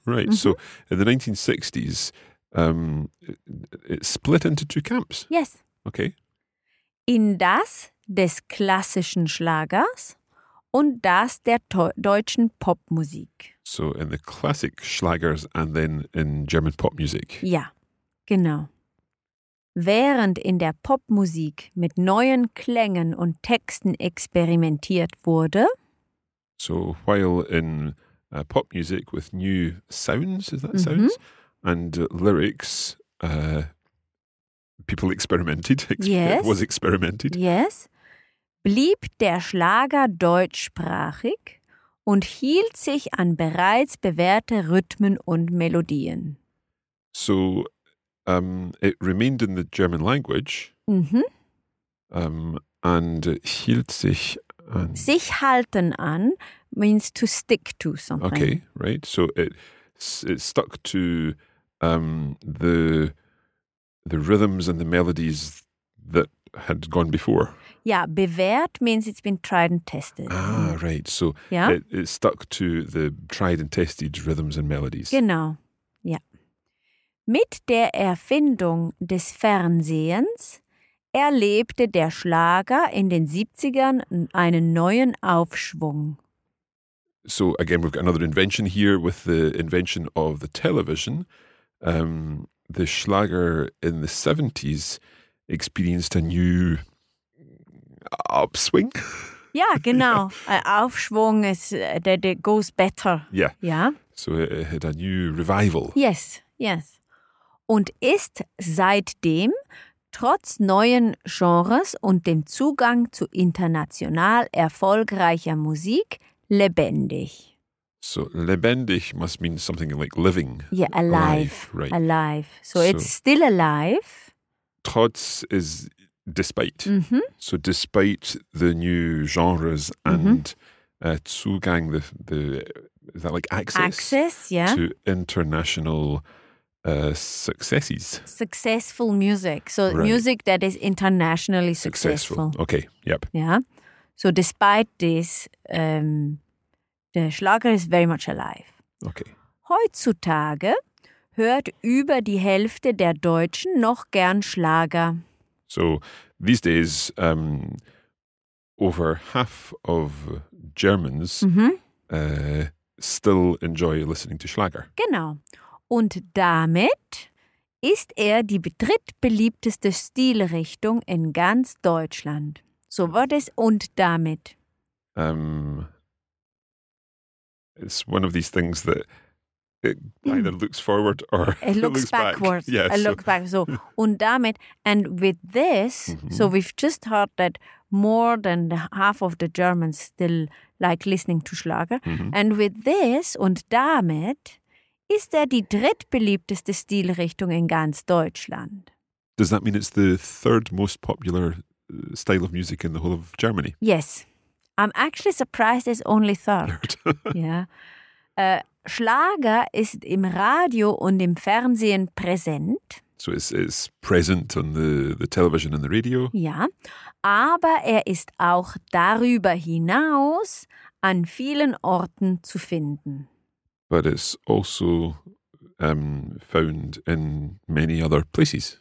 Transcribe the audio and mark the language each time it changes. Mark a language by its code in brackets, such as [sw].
[en] Right, mm-hmm. so in the 1960s, it split into two camps. Yes. Okay. [de] In das des klassischen Schlagers und das der deutschen Popmusik. [en] So in the classic Schlagers and then in German pop music. [de] Ja, genau. Während in der Popmusik mit neuen Klängen und Texten experimentiert wurde. [en] So while in pop music with new sounds, is that mm-hmm. sounds? And lyrics, people experimented, experimented. [de] Yes, blieb der Schlager deutschsprachig und hielt sich an bereits bewährte Rhythmen und Melodien. [en] So, it remained in the German language. Mm-hmm. [de] And hielt sich an. Sich halten an [en] means to stick to something. Okay, right. So it stuck to the rhythms and the melodies that had gone before. Yeah, bewährt means it's been tried and tested. Ah, right. So yeah? it stuck to the tried and tested rhythms and melodies. [de] Genau, ja. Mit der Erfindung des Fernsehens erlebte der Schlager in den 70ern einen neuen Aufschwung. [en] So again, we've got another invention here with the invention of the television. The Schlager in the 70s experienced a new upswing. Yeah, genau. Yeah. Aufschwung is that it goes better. Yeah. Yeah. So it had a new revival. Yes, yes. [de] Und ist seitdem, trotz neuen Genres und dem Zugang zu international erfolgreicher Musik, lebendig. [en] So, lebendig must mean something like living. Yeah, alive. Right. Alive. So it's still alive. Trotz is despite. Mm-hmm. So despite the new genres and mm-hmm. Zugang, the is that like access? Access, yeah. To international successes. Successful music. So right. music that is internationally successful. Okay, yep. Yeah. So despite this, [de] der Schlager ist [en] very much alive. Okay. [de] Heutzutage hört über die Hälfte der Deutschen noch gern Schlager. [en] So, these days, over half of Germans mm-hmm. Still enjoy listening to Schlager. [de] Genau. Und damit ist er die drittbeliebteste Stilrichtung in ganz Deutschland. So wird es und damit. [en] It's one of these things that it either looks forward or it looks backwards. Back. Yeah, I look back. So, [de] und damit, [en] and with this, mm-hmm. so we've just heard that more than half of the Germans still like listening to Schlager. Mm-hmm. And with this, [de] und damit, ist er die drittbeliebteste Stilrichtung in ganz Deutschland. [en] Does that mean it's the third most popular style of music in the whole of Germany? Yes. I'm actually surprised it's only third. Yeah. [de] Schlager ist im Radio und im Fernsehen präsent. [en] So it's present on the television and the radio. [de] Ja. Aber er ist auch darüber hinaus an vielen Orten zu finden. [en] But it's also found in many other places.